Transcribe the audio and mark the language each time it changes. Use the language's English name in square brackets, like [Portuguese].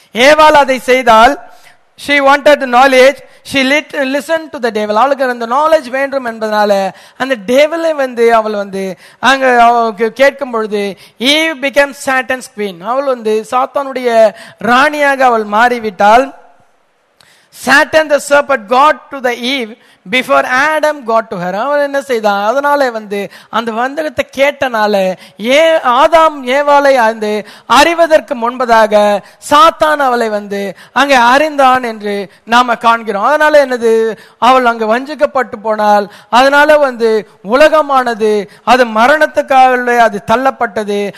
[Tamil] ஏவாள் அதை செய்தால், [English] she wanted the knowledge, she listened to the devil. [Tamil] அவளுக்கு அந்த knowledge வேண்டும் என்பதனால அந்த devil வந்து அவள் வந்து அங்க கேட்கும் பொழுது [English] Eve became Satan's queen. [Tamil] அவள் வந்து சாத்தானுடைய ராணியாக அவள் மாறிவிட்டாள். [English] Satan the serpent got to the Eve before Adam got to her. [Tamil] அவன் என்ன செய்தான், அதனாலே வந்து அந்த வந்தகத்தை கேட்டனால ஆதாம் ஏவாளை அறிந்து அறிவதற்கு முன்பதாக சாத்தான் அவளை வந்து அங்கே அறிந்தான் என்று நாம காண்கிறோம். அதனால என்னது, அவள் அங்கு வஞ்சிக்கப்பட்டு போனால் அதனால வந்து உலகமானது அது மரணத்துக்காக அது தள்ளப்பட்டது.